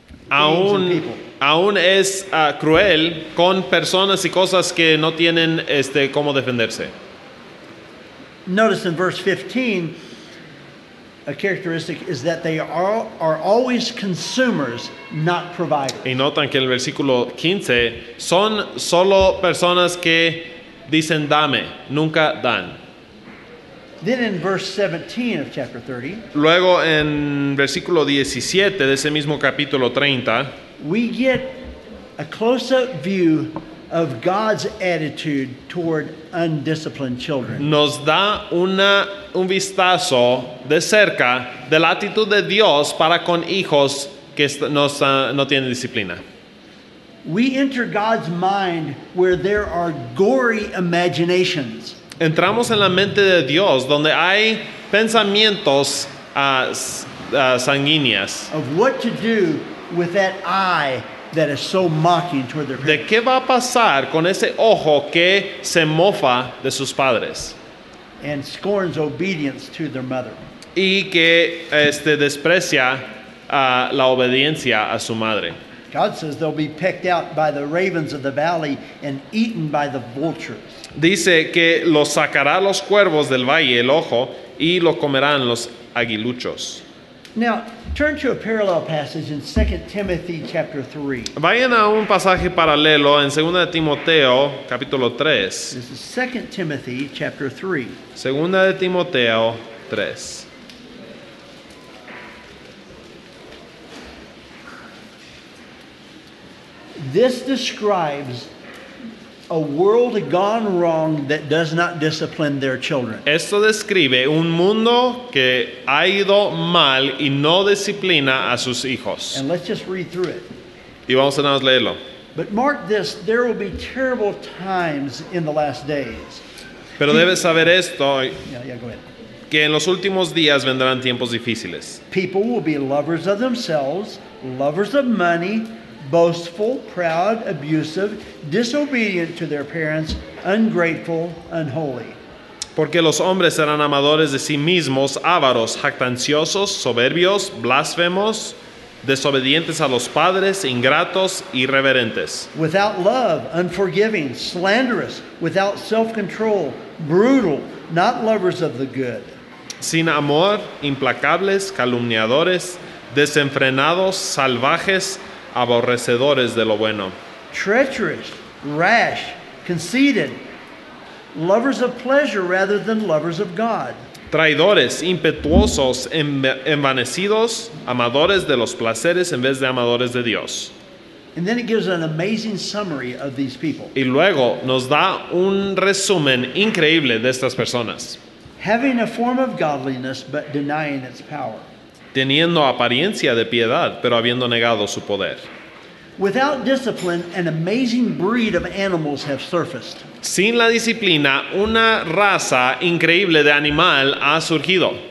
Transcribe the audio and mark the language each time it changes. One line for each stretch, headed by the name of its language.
Spanish: aún es cruel con personas y cosas que no tienen cómo defenderse.
English: Notice in verse 15, a characteristic is that they are always consumers, not providers.
Spanish: Y notan que en el versículo 15 son solo personas que dicen dame, nunca dan.
English: Then in verse 17 of chapter 30.
Spanish: Luego en versículo 17 de ese mismo capítulo 30.
English: We get a close-up view of God's attitude toward undisciplined children.
Spanish: Nos da un vistazo de cerca de la actitud de Dios para con hijos que no tienen disciplina.
English: We enter God's mind where there are gory imaginations.
Spanish: Entramos en la mente de Dios donde hay pensamientos sanguíneos.
English: Of what to do with that eye that is so mocking toward their parents.
Spanish: ¿De qué va a pasar con ese ojo que se mofa de sus padres?
English: And scorns obedience to their mother.
Spanish: Y que desprecia la obediencia a su madre.
English: God says they'll be picked out by the ravens of the valley and eaten by the vultures.
Spanish: Dice que los sacará los cuervos del valle, el ojo, y lo comerán los aguiluchos.
English: Now, turn to a parallel passage in 2 Timothy chapter 3.
Spanish: Vayan a un pasaje paralelo en 2 de Timoteo, capítulo 3.
English: This is 2 Timothy chapter 3.
Spanish: 2 de Timoteo 3.
English: This describes a world gone wrong that does not discipline their children.
Spanish: Esto describe un mundo que ha ido mal y no disciplina a sus hijos.
English: And let's just read through it.
Spanish: Y vamos a nada más leerlo.
English: But mark this, there will be terrible times in the last days.
Spanish: Pero debes saber esto.
English: Yeah, go ahead.
Spanish: Que en los últimos días vendrán tiempos difíciles.
English: People will be lovers of themselves, lovers of money, boastful, proud, abusive, disobedient to their parents, ungrateful, unholy.
Spanish: Porque los hombres serán amadores de sí mismos, ávaros, jactanciosos, soberbios, blasfemos, desobedientes a los padres, ingratos, irreverentes.
English: Without love, unforgiving, slanderous, without self-control, brutal, not lovers of the good.
Spanish: Sin amor, implacables, calumniadores, desenfrenados, salvajes, aborrecedores de lo bueno.
English: Treacherous, rash, conceited, lovers of pleasure rather than lovers of God.
Spanish: Traidores, impetuosos, envanecidos, amadores de los placeres en vez de amadores de Dios.
English: And then it gives an amazing summary of these people.
Spanish: Y luego nos da un resumen increíble de estas personas.
English: Having a form of godliness but denying its power.
Spanish: Teniendo apariencia de piedad, pero habiendo negado su poder.
English: Without discipline, an amazing breed of animals have surfaced.
Spanish: Sin la disciplina, una raza increíble de animal ha surgido.